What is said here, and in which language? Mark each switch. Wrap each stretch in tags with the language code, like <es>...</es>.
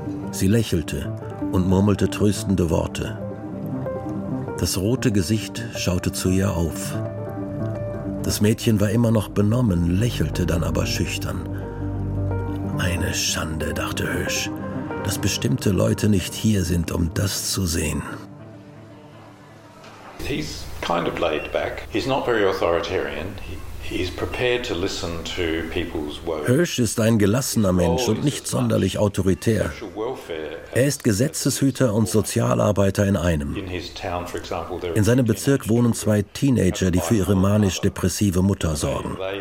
<de>Sie lächelte und murmelte tröstende Worte. Das rote Gesicht schaute zu ihr auf. Das Mädchen war immer noch benommen, lächelte dann aber schüchtern. Eine Schande, dachte Hirsch, dass bestimmte Leute nicht hier sind, um das zu sehen.</de> <en>He's kind of laid back. He's not very authoritarian.</en> <de>Hirsch ist ein gelassener Mensch und nicht sonderlich autoritär. Er ist Gesetzeshüter und Sozialarbeiter in einem. In seinem Bezirk wohnen zwei Teenager, die für ihre manisch-depressive Mutter sorgen.</de>